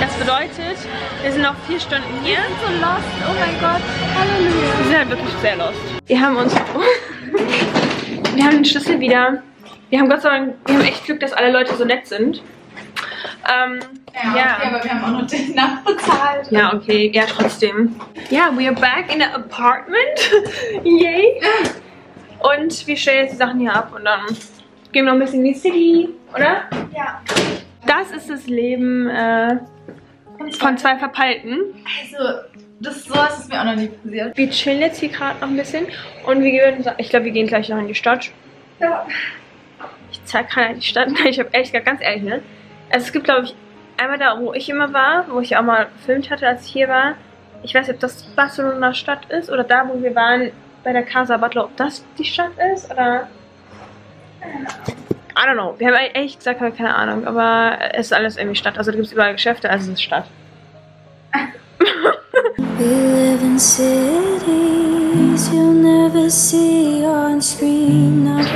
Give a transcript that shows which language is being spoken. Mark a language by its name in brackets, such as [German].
[German] Das bedeutet, wir sind noch 4 Stunden hier. Wir sind so lost, oh mein Gott, Halleluja. Wir sind halt wirklich sehr lost. Wir haben uns... wir haben den Schlüssel wieder. Wir haben Gott sei Dank, wir haben echt Glück, dass alle Leute so nett sind. Ja, okay, aber wir haben auch noch den Nacht bezahlt. Ja, okay, ja, trotzdem. [English] Ja, yeah, we are back in the apartment. Yay. [German] Und wir stellen jetzt die Sachen hier ab und dann gehen wir noch ein bisschen in die City, oder? Ja. Das ist das Leben von zwei Verpeilten. Also, das sowas ist mir auch noch nie passiert. Wir chillen jetzt hier gerade noch ein bisschen und wir gehen, ich glaube, wir gehen gleich noch in die Stadt. Ja. Ich zeig keine die Stadt. Ich habe echt ganz ehrlich, ne? Also, es gibt, glaube ich, einmal da, wo ich immer war, wo ich auch mal gefilmt hatte, als ich hier war. Ich weiß nicht, ob das Barcelona Stadt ist oder da, wo wir waren. Bei der Casa Butler, ob das die Stadt ist oder. [English] I don't know. [German] Wir haben ehrlich gesagt keine Ahnung, aber es ist alles irgendwie Stadt. Also da gibt es überall Geschäfte, also es ist Stadt. [English] We live in cities you'll never see on screen.